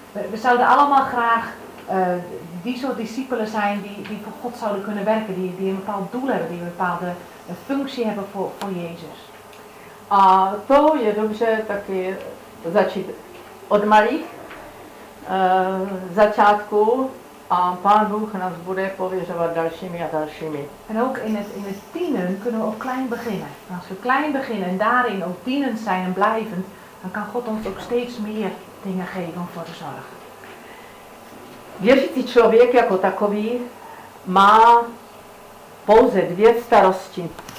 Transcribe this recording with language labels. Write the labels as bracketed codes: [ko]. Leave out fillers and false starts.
[nl] We zouden allemaal graag die soort discipelen zijn die voor God zouden kunnen werken, die een bepaald doel hebben, die een bepaalde functie hebben voor Jezus. [cs] A to je dobře taky začít od malých. začátku a Pán Bůh nás bude pověřovat dalšími a dalšími. [nl] En ook in het tienen kunnen we ook klein beginnen. En als we klein beginnen en daarin ook tienen zijn en blijven, dan kan God ons ook steeds meer dingen geven voor de zorg. [cs] Věřící člověk jako takový má pouze dvě starosti.